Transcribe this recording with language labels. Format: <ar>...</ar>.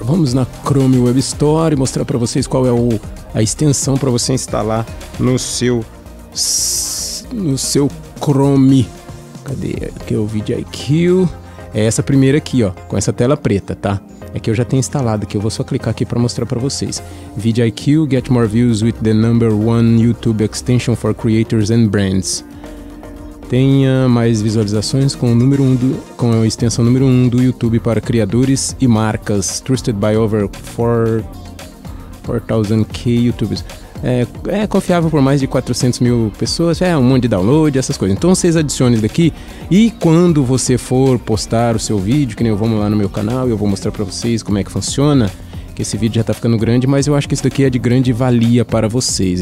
<pt>Vamos na Chrome Web Store e mostrar para vocês qual é a extensão para você instalar no seu... No seu Chrome. Cadê? Aqui é o VidIQ. É essa primeira aqui, ó. Com essa tela preta, tá? É que eu já tenho instalado aqui. Eu vou só clicar aqui para mostrar para vocês.</pt> <en>VidIQ, get more views with the number one YouTube extension for creators and brands.</en> <pt>Tenha mais visualizações com o número 1 com a extensão número 1 do YouTube para criadores e marcas.</pt> <en>Trusted by over 4,000K YouTubers.</en> <pt>É confiável por mais de 400 mil pessoas, é um monte de download, essas coisas. Então vocês adicionem daqui e quando você for postar o seu vídeo, que nem eu, vamos lá no meu canal e eu vou mostrar para vocês como é que funciona, que esse vídeo já tá ficando grande, mas eu acho que isso daqui é de grande valia para vocês.</pt>